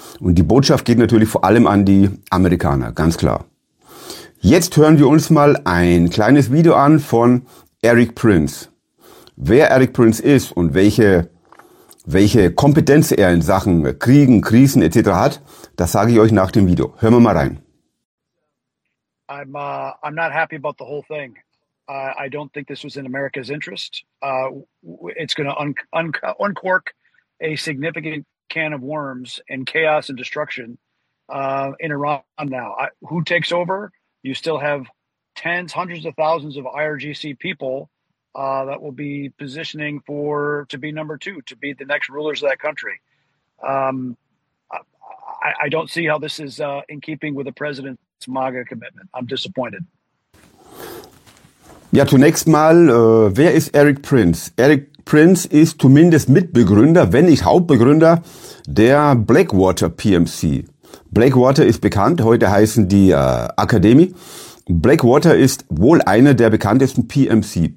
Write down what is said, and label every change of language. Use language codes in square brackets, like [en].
[de] Und die Botschaft geht natürlich vor allem an die Amerikaner, ganz klar. Jetzt hören wir uns mal ein kleines Video an von Eric Prince. Wer Eric Prince ist und welche Kompetenz er in Sachen Kriegen, Krisen etc. hat, das sage ich euch nach dem Video. Hören wir mal rein. [en] I'm not happy about the whole thing. I don't think this was in America's interest. It's going to uncork a significant can of worms and chaos and destruction in Iran now. Who takes over? You still have tens, hundreds of thousands of IRGC people that will be positioning to be number two, to be the next rulers of that country. I don't see how this is in keeping with the president's MAGA commitment. I'm disappointed. [de] Ja, zunächst mal, wer ist Eric Prince? Eric Prince ist zumindest Mitbegründer, wenn nicht Hauptbegründer, der Blackwater PMC. Blackwater ist bekannt, heute heißen die Akademie. Blackwater ist wohl einer der bekanntesten PMC.